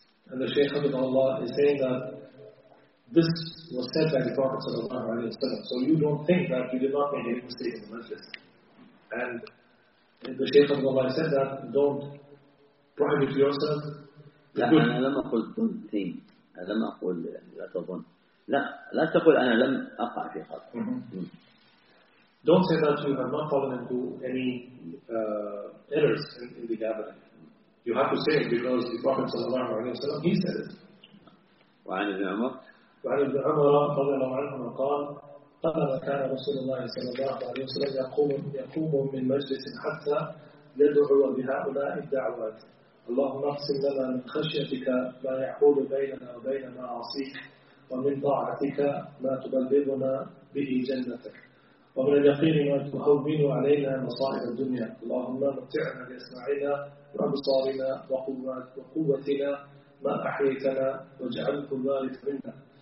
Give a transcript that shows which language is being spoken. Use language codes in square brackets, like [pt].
[en] And the Shaykh of Allah is saying that this was said by the Prophet sallallahu alayhi wa sallam. So you don't think that you did not make any mistake in the majlis. And the Shaykh of Allah said that don't prohibit yourself. [ar] لا أنا لم أقول [en] don't think. [ar] أنا لم أقول لا تظن. لا لا تقول أنا لم أقع في خطأ. [en] Don't say that you have not fallen into any errors in the gathering. You have to say it because the Prophet sallallahu alaihi wasallam he said it. [ar] وعن ابن عمر. وعن ابن عمر رضي الله عنهما قال قال كان رسول الله صلى الله عليه وسلم يقوم من مجلس حتى يدعو بهؤلاء الدعوات. اللهم اقسم لنا من خشيتك ما يحول بيننا وبين معاصيك ومن طاعتك ما تبلغنا به جنتك ومن اليقين ما تهون علينا مصائب الدنيا اللهم متعنا باسماعنا وابصارنا وقوتنا ما احييتنا واجعل كل ذلك منا